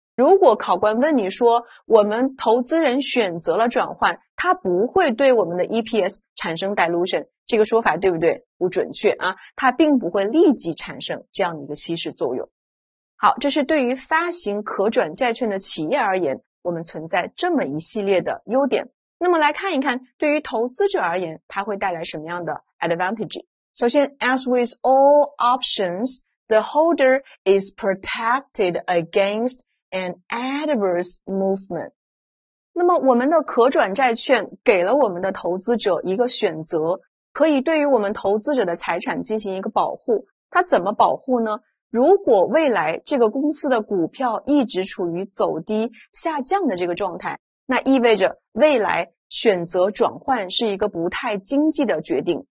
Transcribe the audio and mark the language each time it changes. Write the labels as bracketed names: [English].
[Chinese] 如果考官问你说我们投资人选择了转换，它不会对我们的 EPS 产生 dilution， 这个说法对不对？不准确啊，它并不会立即产生这样一个稀释作用。好，这是对于发行可转债券的企业而言，我们存在这么一系列的优点。那么来看一看，对于投资者而言，它会带来什么样的 advantage。首先， [English] as with all options,The holder is protected against an adverse movement. [Chinese] 那么我们的可转债券给了我们的投资者一个选择，可以对于我们投资者的财产进行一个保护。它怎么保护呢？如果未来这个公司的股票一直处于走低下降的这个状态，那意味着未来选择转换是一个不太经济的决定。